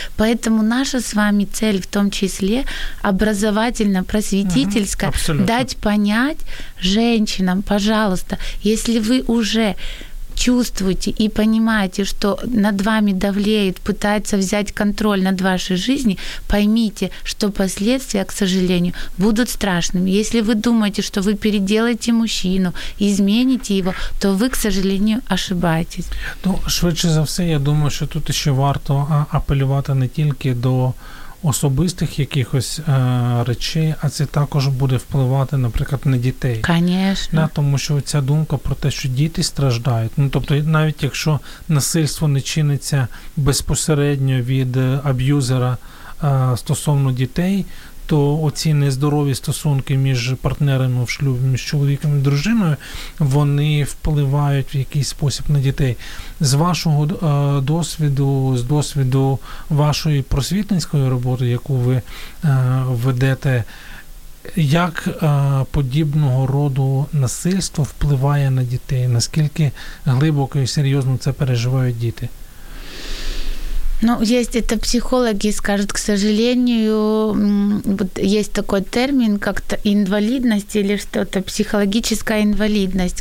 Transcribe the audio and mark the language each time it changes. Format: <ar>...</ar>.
<ru>Поэтому наша с вами цель в том числе образовательно-просветительская, дать понять женщинам, пожалуйста, если вы уже чувствуете и понимаете, что над вами давлеет, пытается взять контроль над вашей жизнью, поймите, что последствия, к сожалению, будут страшными. Если вы думаете, что вы переделаете мужчину, измените его, то вы, к сожалению, ошибаетесь.</ru> <uk>Ну, швидше за все, я думаю, що тут ще варто апелювати не тільки до особистих якихось речей, а це також буде впливати, наприклад, на дітей.</uk> <ru>Конечно.</ru> <uk>Да, тому що ця думка про те, що діти страждають, ну, тобто навіть якщо насильство не чиниться безпосередньо від аб'юзера стосовно дітей, то оці нездорові стосунки між партнерами в шлюбі, між чоловіком і дружиною, вони впливають в якийсь спосіб на дітей. З вашого досвіду, з досвіду вашої просвітницької роботи, яку ви ведете, як подібного роду насильство впливає на дітей? Наскільки глибоко і серйозно це переживають діти?</uk> <ru>Ну, есть это психологи скажут, к сожалению, вот есть такой термин, как инвалидность или что-то, психологическая инвалидность.</ru>